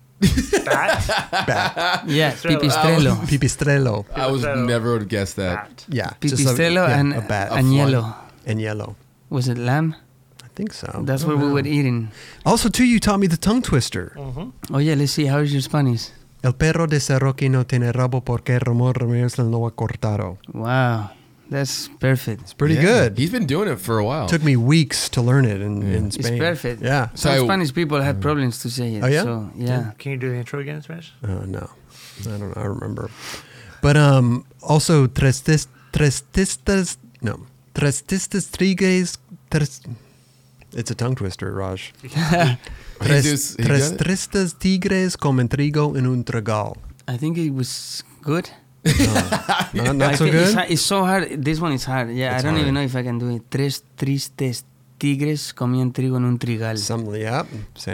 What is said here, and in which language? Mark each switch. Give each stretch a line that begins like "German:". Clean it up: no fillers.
English: Bat? Bat. Yeah, pipistrello.
Italian: Pipistrello.
English: I never would have guessed that. Bat. Yeah. Pipistrello and yellow. Was it lamb? I think so. That's what we were eating. Also, too, you taught me the tongue twister. Mm-hmm. Oh, yeah, let's see. How is your Spanish?
Spanish: El perro de Sarroqui no tiene rabo porque Ramón Ramírez lo ha cortado.
English: Wow. That's perfect. It's pretty good. He's been doing it for a while. Took me weeks to learn it in Spain. It's perfect. Yeah. So Spanish people have problems to say it. Oh, yeah? So, yeah. Can you do the intro again in Spanish? No. I don't know. I remember. But also, it's a tongue twister, Raj.
Spanish: Tres tristes tigres comen trigo en un tragal.
English: I think it was good. Not so good. It's so hard. This one is hard. Yeah, it's even know if I can do it.
Spanish: Tres tristes tigres comían trigo en un trigal.